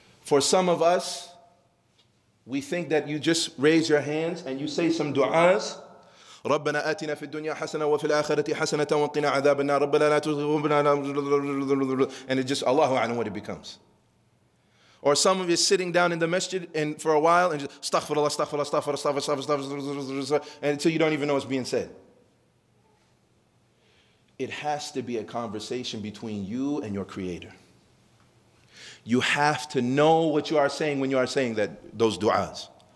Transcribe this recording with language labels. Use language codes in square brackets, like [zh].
[en] For some of us, we think that you just raise your hands and you say some du'as. [ar] ربنا آتنا في الدنيا حسنة وفي الآخرة حسنة وقنا عذاب النار ربنا لا تزغبنا [en] and it just, Allahu a'lam what it becomes. Or some of you sitting down in the masjid and for a while and just, astaghfirullah, astaghfirullah, astaghfirullah, astaghfirullah, astaghfirullah, and until you don't even know what's being said. It has to be a conversation between you and your Creator. You have to know what you are saying when you are saying that those du'as.